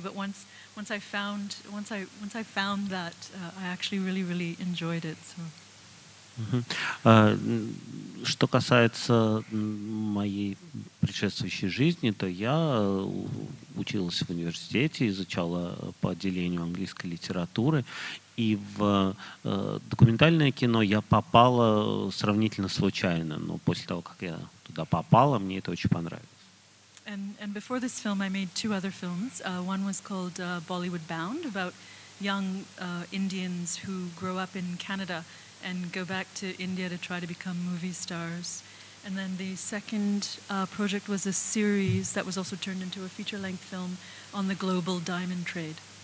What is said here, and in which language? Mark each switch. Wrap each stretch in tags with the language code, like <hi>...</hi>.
<en>But once I found that, I actually really really enjoyed it. So.</en> <ru>Что касается моей предшествующей жизни, то я училась в университете, изучала по отделению английской литературы, и в документальное кино я попала сравнительно случайно, но после того, как я туда попала, мне это очень понравилось.</ru> <en>And before this film I made two other films. One was called Bollywood Bound, about young Indians who grow up in Canada and go back to India to try to become movie stars. And then the second project was a series that was also turned into a feature-length film on the global diamond trade.</en>